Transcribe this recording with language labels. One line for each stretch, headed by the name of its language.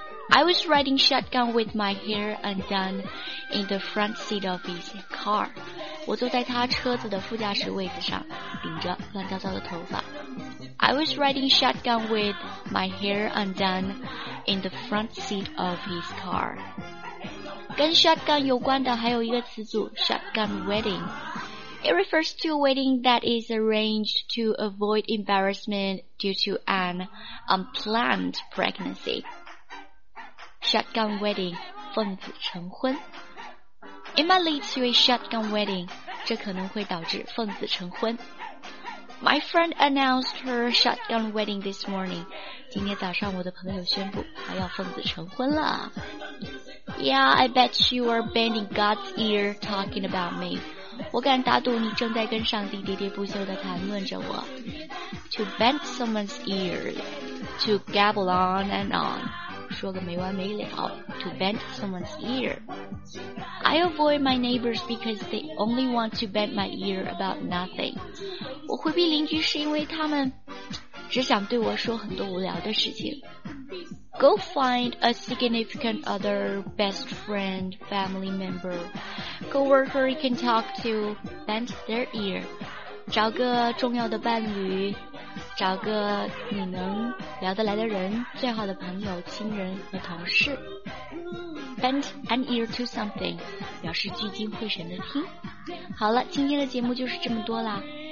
English: I was riding shotgun with my hair undone in the front seat of his car.
Chinese: 我坐在他车子的副驾驶位置上，顶着乱糟糟的头发。
English: I was riding shotgun with my hair undone in the front seat of his car.
Chinese: 跟 shotgun 有关的还有一个词组 shotgun wedding.
English: It refers to a wedding that is arranged to avoid embarrassment due to an unplanned pregnancy. Shotgun wedding,
Chinese: 奉子成婚。
English: It might lead to a shotgun wedding.
Chinese: 这可能会导致奉子成婚。
English: My friend announced her shotgun wedding this morning.
Chinese: 今天早上我的朋友宣布她要奉子成婚了。
English: Yeah, I bet you are bending God's ear talking about me.
Chinese: 我敢打赌你正在跟上帝喋喋不休地谈论着我。
English: To bend someone's ear, to gabble on and on,
Chinese: 说个没完没了。
English: To bend someone's ear. I avoid my neighbors because they only want to bend my ear about nothing.
Chinese: 我回避邻居是因为他们只想对我说很多无聊的事情。
English: Go find a significant other, best friend, family member, coworker you can talk to, bend their ear.
Chinese: 找个重要的伴侣、找个你能聊得来的人，最好的朋友、亲人和同事。
English: Bend an ear to something，
Chinese: 表示聚精会神的听。好了，今天的节目就是这么多啦。